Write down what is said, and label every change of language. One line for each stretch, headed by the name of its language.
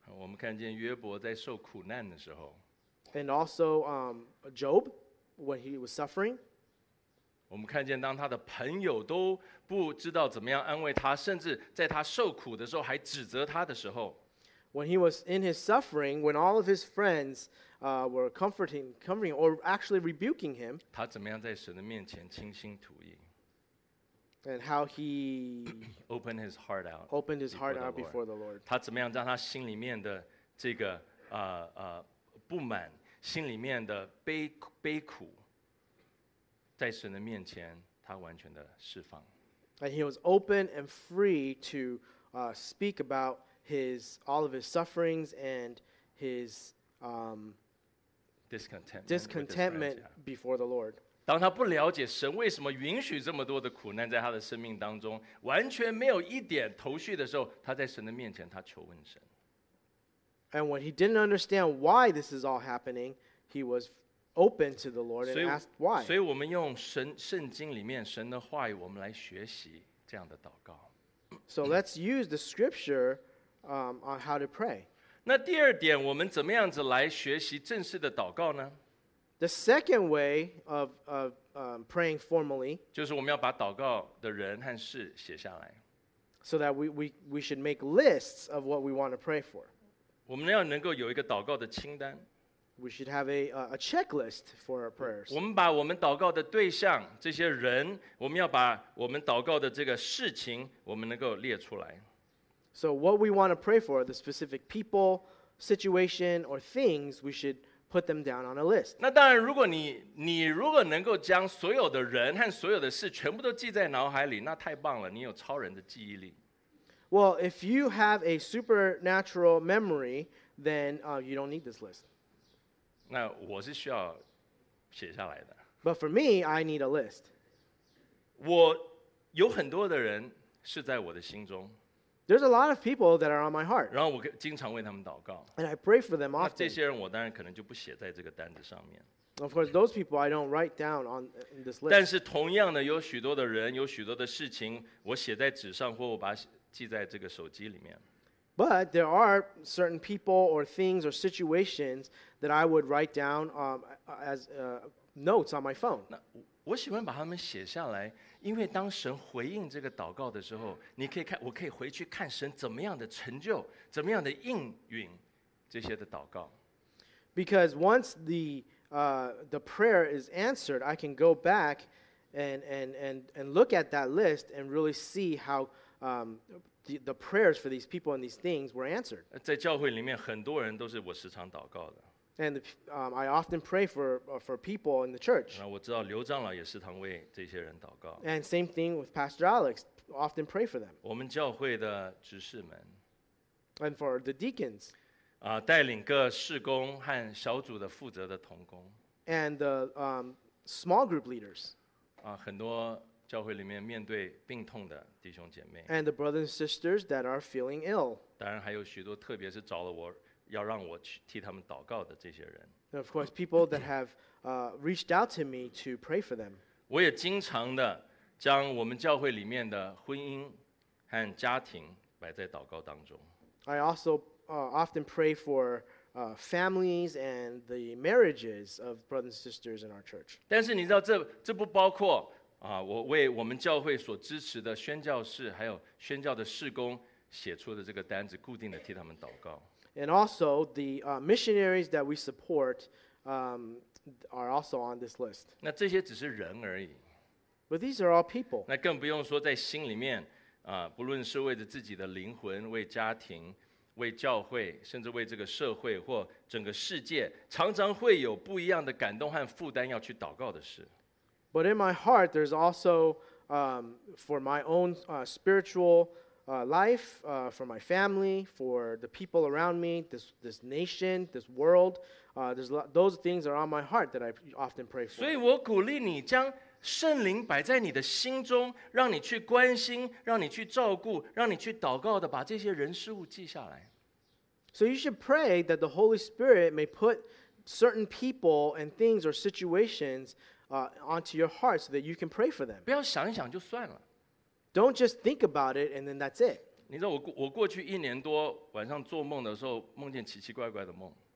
Chinese: 我们看见约伯在受苦难的时候。
English: And also, Job, when he was suffering.
Chinese: 我们看见当他的朋友都不知道怎么样安慰他，甚至在他受苦的时候还指责他的时候。
English: When he was in his suffering, when all of his friends were comforting or actually rebuking him,
Chinese: 他怎么样在神的面前倾心吐意。
English: And how he opened his heart out, opened his heart out before the Lord.
Chinese: 他怎么样让他心里面的这个不满，心里面的悲苦，在神的面前他完全的释放。
English: And he was open and free to speak about all of his sufferings and his discontentment before the Lord.
Chinese: 当他不了解神为什么允许这么多的苦难在他的生命当中，完全没有一点头绪的时候，他在神的面前他求问神。
English: And when he didn't understand why this is all happening, he was open to the Lord and asked why.
Chinese: 所以我们用圣经里面神的话语，我们来学习这样的祷告。
English: So let's use the scripture on how to pray.
Chinese: 那第二点，我们怎么样子来学习正式的祷告呢？
English: The second way of praying formally,
Chinese: 就是我们要把祷告的人和事写下来。
English: So that we should make lists of what we want to pray for.
Chinese: 我们要能够有一个祷告的清单。
English: We should have a checklist for our prayers.
Chinese: 我们把我们祷告的对象，这些人，我们要把我们祷告的这个事情，我们能够列出来。
English: So what we want to pray for, the specific people, situation, or things, we should... put them down on a list.
Chinese: 那当然如果你如果能够将所有的人和所有的事全部都记在脑海里，那太棒了，你有超人的记忆力。
English: Well, if you have a supernatural memory, then you don't need this list.
Chinese: 那我是需要写下来的。
English: But for me, I need a list.
Chinese: 我有很多的人是在我的心中。
English: There's a lot of people that are on my heart.
Chinese: 然后我经常为他们祷告。
English: And I pray for them often.
Chinese: 那这些人我当然可能就不写在这个单子上面。
English: Of course, those people I don't write down on this list.
Chinese: 但是同样的，有许多的人，有许多的事情，我写在纸上，或我把记在这个手机里面。
English: But there are certain people or things or situations that I would write down as notes on my phone.
Chinese: 那我喜欢把它们写下来，因为当神回应这个祷告的时候，你可以看，我可以回去看神怎么样的成就，怎么样的应允这些的祷告。
English: Because once the prayer is answered, I can go back and look at that list and really see how the prayers for these people and these things were answered.
Chinese: 在教会里面，很多人都是我时常祷告的。
English: And I often pray for people in the church.
Chinese: 那我知道刘长老也时常为这些人祷告。
English: And same thing with Pastor Alex, often pray for them.
Chinese: 我们教会的执事们。
English: And for the deacons.
Chinese: 带领各事工和小组的负责的同工。
English: And the small group leaders.
Chinese: 很多教会里面面对病痛的弟兄姐妹。
English: And the brothers and sisters that are feeling ill.
Chinese: 当然还有许多，特别是找了我。要让我去替他们祷告的这些人。
English: Of course, people that have reached out to me to pray for them.
Chinese: 我也经常的将我们教会里面的婚姻和家庭摆在祷告当中。
English: I also often pray for families and the marriages of brothers and sisters in our church.
Chinese: 但是你知道这不包括我为我们教会所支持的宣教士还有宣教的事工写出的这个单子，固定的替他们祷告。
English: And also, the missionaries that we support are also on this list.
Chinese: 那这些只是人而已。
English: But these are all people.
Chinese: 那更不用说在心里面，不论是为着自己的灵魂，为家庭，为教会，甚至为这个社会或整个世界，常常会有不一样的感动和负担要去祷告的事。
English: But in my heart, there's also for my own spiritual life, for my family, for the people around me, this nation, this world, those things are on my heart that I often pray for.
Chinese: 所以我鼓励你将圣灵摆在你的心中，让你去关心，让你去照顾，让你去祷告的把这些人事物记下来。
English: So you should pray that the Holy Spirit may put certain people and things or situations onto your heart so that you can pray for them.
Chinese: 不要想一想就算了。
English: Don't just think about it, and then that's it.
Chinese: 你知道我过去一年多晚上做梦的时候，梦见奇奇怪怪的梦。